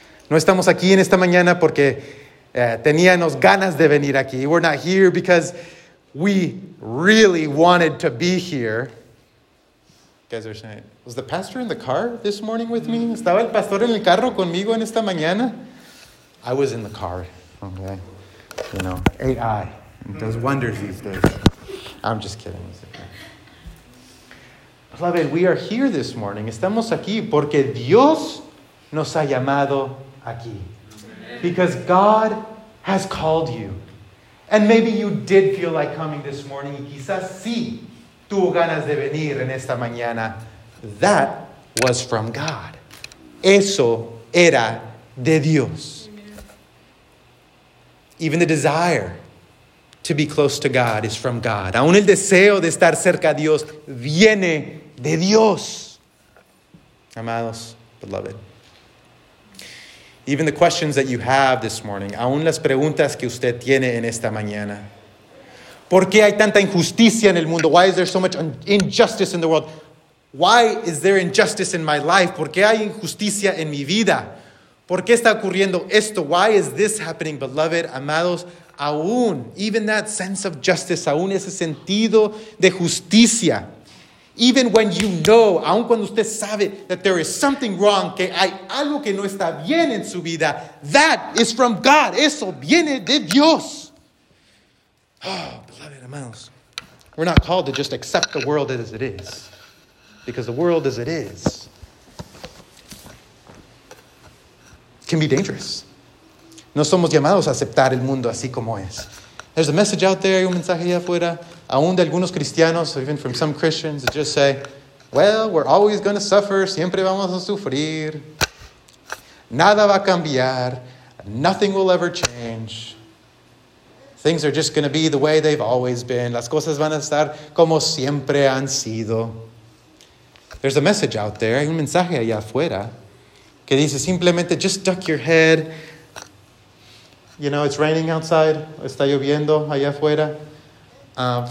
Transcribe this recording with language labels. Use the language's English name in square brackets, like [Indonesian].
[Spanish] No estamos aquí en esta mañana porque teníamos ganas de venir aquí. [English] We're not here because we really wanted to be here. Guys are saying, was the pastor in the car this morning with me? [Spanish] ¿Estaba el pastor en el carro conmigo en esta mañana? [English] I was in the car. Okay. You know, AI does wonders these days. I'm just kidding. Beloved, we are here this morning. [Spanish] Estamos aquí porque Dios nos ha llamado aquí. [English] Because God has called you. And maybe you did feel like coming this morning. [Spanish] Quizás sí tuvo ganas de venir en esta mañana. [English] That was from God. [Spanish] Eso era de Dios. [English] Even the desire to be close to God is from God. [Spanish] Aún el deseo de estar cerca a Dios viene de Dios. Amados, beloved. [English] Even the questions that you have this morning, [Spanish] aún las preguntas que usted tiene en esta mañana. ¿Por qué hay tanta injusticia en el mundo? [English] Why is there so much injustice in the world? Why is there injustice in my life? [Spanish] ¿Por qué hay injusticia en mi vida? ¿Por qué está ocurriendo esto? [English] Why is this happening, [Spanish] beloved, amados? Aún, [English] even that sense of justice, [Spanish] aún ese sentido de justicia. [English] Even when you know, [Spanish] aun cuando usted sabe [English] that there is something wrong, [Spanish] que hay algo que no está bien en su vida, [English] that is from God. [Spanish] Eso viene de Dios. [English] Oh, beloved amados, we're not called to just accept the world as it is. Because the world as it is can be dangerous. [Spanish] No somos llamados a aceptar el mundo así como es. [English] There's a message out there, [Spanish] un mensaje allá afuera, aún de algunos cristianos, [English] even from some Christians, that just say, well, we're always going to suffer, [Spanish] siempre vamos a sufrir. Nada va a cambiar, [English] nothing will ever change. Things are just going to be the way they've always been. [Spanish] Las cosas van a estar como siempre han sido. [English] There's a message out there, [Spanish] un mensaje allá afuera, que dice simplemente, [English] just duck your head. You know, it's raining outside. [Spanish] Está lloviendo allá afuera.